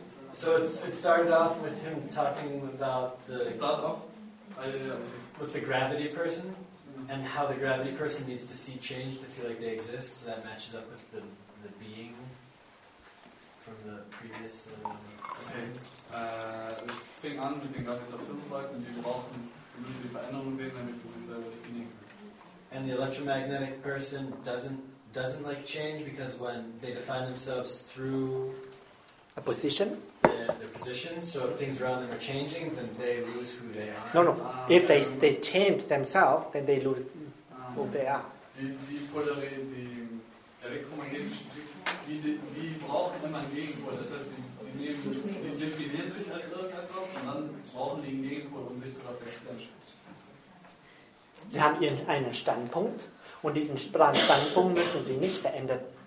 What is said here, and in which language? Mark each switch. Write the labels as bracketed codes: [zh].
[en] So it started off with him talking about the with the gravity person, mm-hmm. and how the gravity person needs to see change to feel like they exist. So that matches up with the being from the previous sentence. [de] Es fing an mit den Gravitationsleuten, die brauchen, müssen die Veränderung sehen, damit sie sich selber erkennen. [en] And the electromagnetic person doesn't like change because when they define themselves through a position. Their position, so if things around them are changing, then they lose who they are. No. If they change themselves, then they lose who they are. [de] Die polarisieren die elektromagnetischen Richtungen, die brauchen immer ein Gegenpol. Das heißt, die definieren sich als irgendetwas und dann brauchen die ein Gegenpol, um sich zu reflektieren. Sie haben einen Standpunkt und diesen Standpunkt müssen sie nicht verändern.